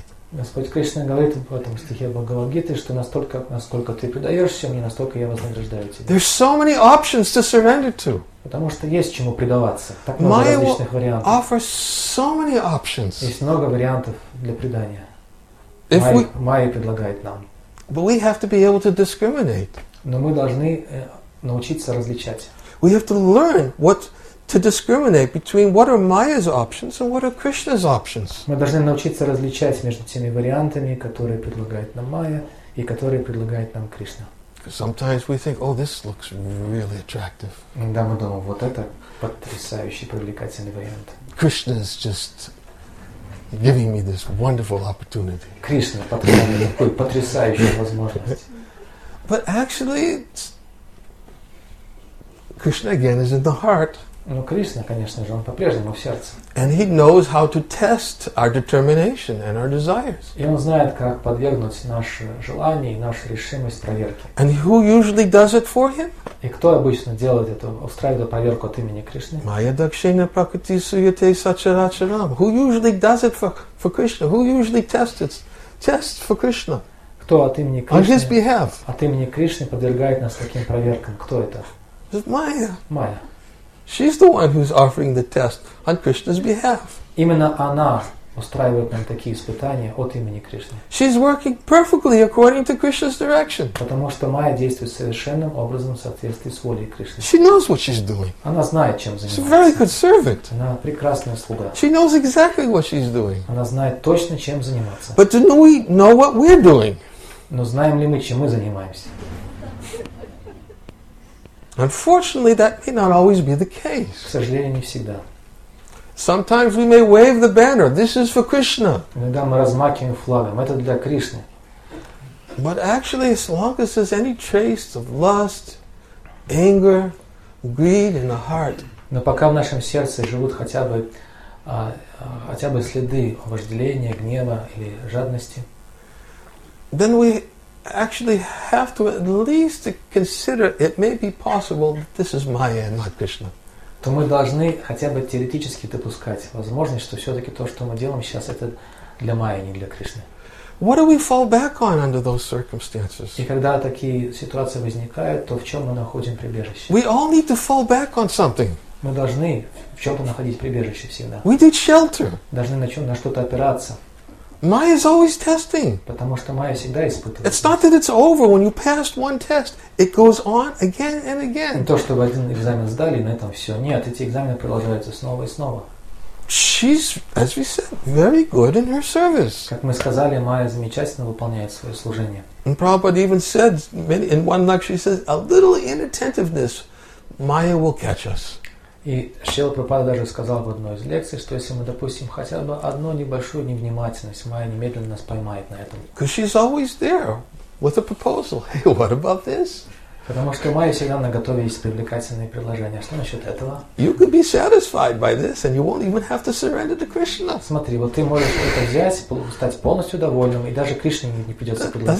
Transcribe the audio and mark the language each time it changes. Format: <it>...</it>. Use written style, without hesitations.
<ru>Господь Кришна говорит в этом стихе Бхагавад-гиты, что насколько ты предаешься мне, настолько я вознаграждаю тебя.</ru> <en>There's so many options to surrender to.</en> <ru>Потому что есть чему предаваться. Так много различных вариантов.</ru> <en>Майя offers so many options.</en> <ru>Есть много вариантов для предания. Майя предлагает нам.</ru> <en>But we have to be able to discriminate.</en> <ru>Но мы должны научиться различать.</ru> <en>We have to learn what to discriminate between what are Maya's options and what are Krishna's options.</en> <ru>Мы должны научиться различать между теми вариантами, которые предлагает нам Майя, и которые предлагает нам Кришна.</ru> <en>Sometimes we think, oh, this looks really attractive.</en> <ru>Иногда мы думаем, вот это потрясающий, привлекательный вариант.</ru> <en>Krishna is just giving me this wonderful opportunity.</en> <ru>Кришна подарил мне такую потрясающую возможность.</ru> <en>But actually, it's Krishna again is in the heart.</en> <ru>Но Кришна, конечно же, он по-прежнему в сердце.</ru> <en>And he knows how to test our determination and our desires.</en> <ru>И он знает, как подвергнуть наше желание и нашу решимость проверке.</ru> <en>And who usually does it for him?</en> <ru>И кто обычно делает это, устраивает проверку от имени Кришны? Майя дакшина пракати суете сачарачарам.</ru> <en>Who usually does it for Krishna? Who usually tests for Krishna?</en> <ru>Кто от имени Кришны?</ru> <en>On his behalf.</en> <ru>От имени Кришны подвергает нас таким проверкам. Кто это?</ru> <en>It's Maya. Maya. She's the one who's offering the test on Krishna's behalf.</en> <ru>Именно она устраивает нам такие испытания от имени Кришны.</ru> <en>She's working perfectly according to Krishna's direction.</en> <ru>Потому что Майя действует совершенным образом в соответствии с волей Кришны.</ru> <en>She knows what she's doing.</en> <ru>Она знает, чем занимается.</ru> <en>She's a very good servant.</en> <ru>Она прекрасная слуга.</ru> <en>She knows exactly what she's doing.</en> <ru>Она знает точно, чем заниматься.</ru> <en>But do we know what we're doing?</en> <ru>Но знаем ли мы, чем мы занимаемся?</ru> <en>Unfortunately, that may not always be the case.</en> <ru>К сожалению, не всегда.</ru> <en>Sometimes we may wave the banner. This is for Krishna.</en> <ru>Иногда мы размахиваем флагом. Это для Кришны.</ru> <en>But actually, as long as there's any trace of lust, anger, greed in the heart.</en> <ru>Но пока в нашем сердце живут хотя бы следы вожделения, гнева или жадности.</ru> <en>Then we actually have to at least consider it may be possible that this is Maya and not Krishna.</en> <ru>То мы должны хотя бы теоретически допускать возможность, что все-таки то, что мы делаем сейчас, это для Майи, не для Кришны.</ru> <en>What do we fall back on under those circumstances?</en> <ru>И когда такие ситуации возникают, то в чем мы находим прибежище?</ru> <en>We all need to fall back on something.</en> <ru>Мы должны в чем-то находить прибежище всегда.</ru> <en>We need shelter.</en> <ru>Должны на что-то опираться.</ru> <en>Майя is always testing.</en> <ru>Потому что Майя всегда испытывает.</ru> <en>It's not that it's over when you passed one test. It goes on again and again.</en> <ru>Не то, что вы один экзамен сдали, на этом все. Нет, эти экзамены продолжаются снова и снова.</ru> <en>She's, as we said, very good in her service.</en> <ru>Как мы сказали, Майя замечательно выполняет свое служение.</ru> <en>And Prabhupada even said, in one lecture, he says, a little inattentiveness, Майя will catch us.</en> <ru>И Шрила Прабхупада даже сказал в одной из лекций, что если мы допустим хотя бы одну небольшую невнимательность, Майя немедленно нас поймает на этом.</ru> <en>Because she's always there with a proposal. Hey, what about this?</en> <ru>Потому что Майя всегда на готове есть привлекательные предложения. Что насчет этого?</ru> <en>You could be satisfied by this, and you won't even have to surrender to Krishna.</en> <ru>Смотри, вот ты можешь это взять, стать полностью довольным, и даже Кришне не придется предлагать.</ru>